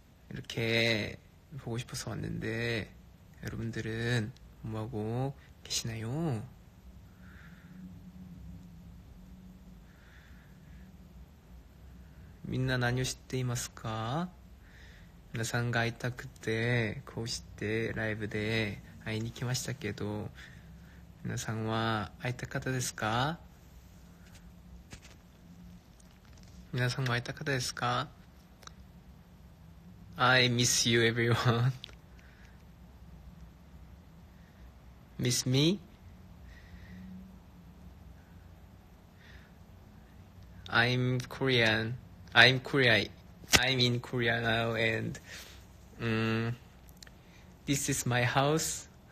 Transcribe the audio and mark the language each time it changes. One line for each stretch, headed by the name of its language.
Korean: 이렇게 보고 싶어서 왔는데, 여러분들은 뭐하고 계시나요?
Japanese: 민나 나뇨 시테이마스카? 皆さんが会いたくて、こうしてライブで会いに来ましたけど、皆さんは会いたかったですか？皆さんも会いたかったですか
English: ?I miss you everyone.Miss me?I'm Korean. I'm Korea. I'm in Korea now and this is my house.